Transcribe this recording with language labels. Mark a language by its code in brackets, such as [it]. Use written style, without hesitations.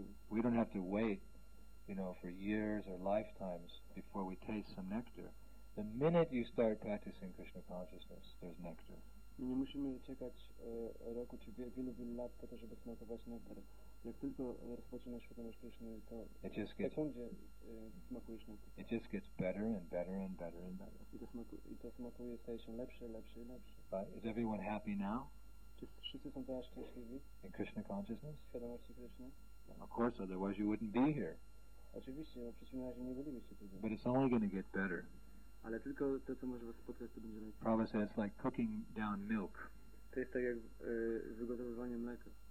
[en] We don't have to wait, you know, for years or lifetimes before we taste some nectar. The minute you start practicing Krishna consciousness, there's nectar. [pl] My nie musimy czekać roku czy wielu lat po to, żeby smakować nektar. Jak tylko rozpoczynasz świadomość Kryszny, to sekundzie smakujesz nektar. [en] It just gets better and better and better and better. [pl] I to smakuje, staje się lepsze, lepsze i lepsze. [en] Is everyone happy now? [pl] Czy wszyscy są teraz szczęśliwi? [en] In Krishna consciousness? [pl] Świadomości Kryszny? [en] Of course, otherwise you wouldn't be here. [pl] Oczywiście, bo w przeciwnym razie nie bylibyście tutaj. [en] But it's only going to get better. [pl] Ale tylko to, co może was spotkać, to będzie lepiej. [en] Prabhupada said it's like cooking down milk. [pl] To jest tak jak wygotowywanie mleka.